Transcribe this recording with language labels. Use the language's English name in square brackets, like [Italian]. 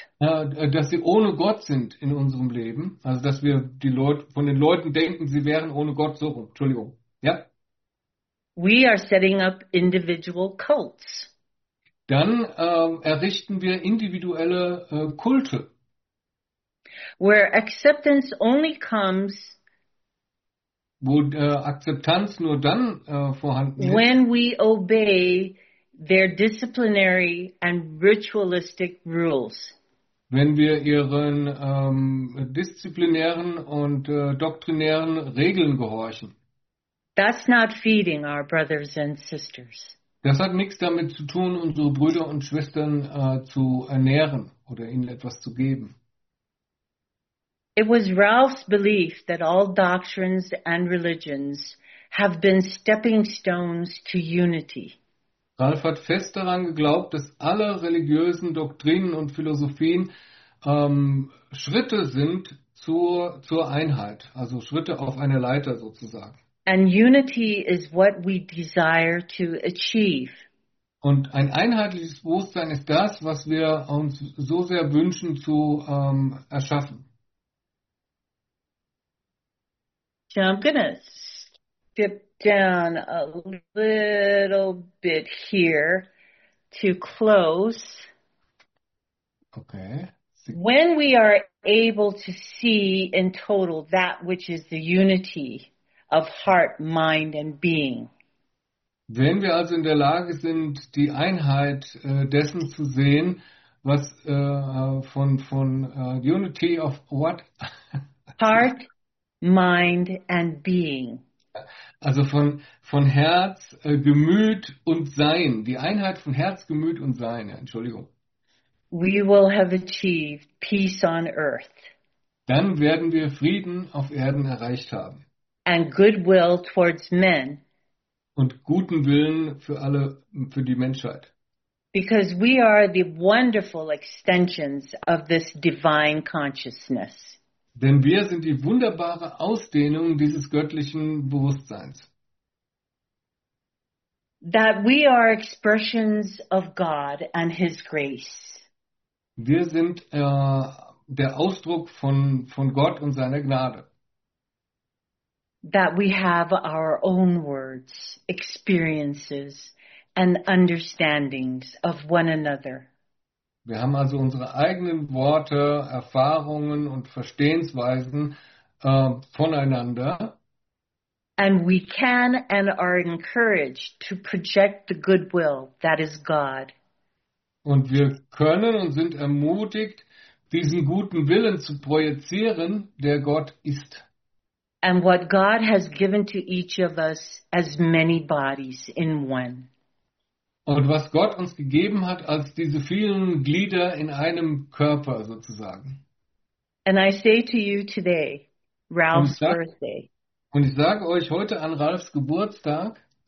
[German] Dass sie ohne Gott sind in unserem Leben, also dass wir die Leute von den Leuten denken, sie wären ohne Gott so. Entschuldigung. Ja? [English] We are setting up individual cults. [German] Dann errichten wir individuelle Kulte. [English] Where acceptance only comes [German] wo Akzeptanz nur dann vorhanden ist, [English] when we obey their disciplinary and ritualistic rules. [German] Wenn wir ihren disziplinären und doktrinären Regeln gehorchen. [English] That's not feeding our brothers and sisters. [German] Das hat nichts damit zu tun, unsere Brüder und Schwestern zu ernähren oder ihnen etwas zu geben. [English] It was Ralph's belief that all doctrines and religions have been stepping stones to unity. [German] Ralph hat fest daran geglaubt, dass alle religiösen Doktrinen und Philosophien Schritte sind zur Einheit, also Schritte auf einer Leiter sozusagen. [English] And unity is what we desire to achieve. [German] Und ein einheitliches Bewusstsein ist das, was wir uns so sehr wünschen zu erschaffen. [English] So I'm gonna skip down a little bit here to close. [German] Okay. [English] When we are able to see in total that which is the unity of heart, mind and being. [German] Wenn wir also in der Lage sind, die Einheit dessen zu sehen, was von [English] Unity of what? Heart, mind and being. [German] Also von Herz, Gemüt und Sein. Die Einheit von Herz, Gemüt und Sein. Entschuldigung. [English] We will have achieved peace on earth. [German] Dann werden wir Frieden auf Erden erreicht haben. [English] And goodwill towards men. [German] Und guten Willen für alle, für die Menschheit. [English] Because we are the wonderful extensions of this divine consciousness. [German] Denn wir sind die wunderbare Ausdehnung dieses göttlichen Bewusstseins. [English] That we are expressions of God and His grace. [German] Wir sind der Ausdruck von Gott und seiner Gnade. [English] That we have our own words, experiences and understandings of one another. [German] Wir haben also unsere eigenen Worte, Erfahrungen und Verstehensweisen voneinander. [English] And we can and are encouraged to project the goodwill that is God. [German] Und wir können und sind ermutigt, diesen guten Willen zu projizieren, der Gott ist. [English] And what God has given to each of us as many bodies in one. [German] Und was Gott uns gegeben hat als diese vielen Glieder in einem Körper sozusagen. [English] And I say to you today, Ralph's birthday. [German] Und ich sage euch heute an Ralphs Geburtstag.